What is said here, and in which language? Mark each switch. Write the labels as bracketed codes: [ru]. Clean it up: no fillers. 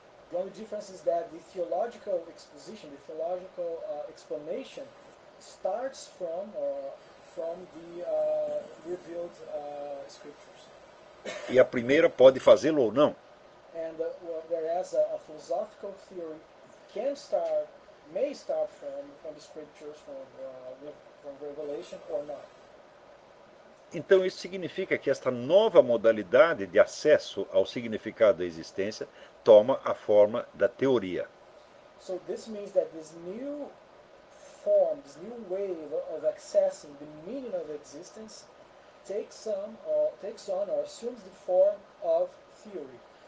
[en] The only difference is that the theological exposition, the theological explanation, starts from from the revealed scriptures. [pt] E a primeira pode fazê-lo ou não. [en] And whereas a philosophical theory can start, may start from the scriptures, from revelation or not. [pt] Então isso significa que esta nova modalidade de acesso ao significado da existência toma a forma da teoria. [en] So this means that this new form, this new way of accessing the meaning of existence takes on or assumes the form of theory.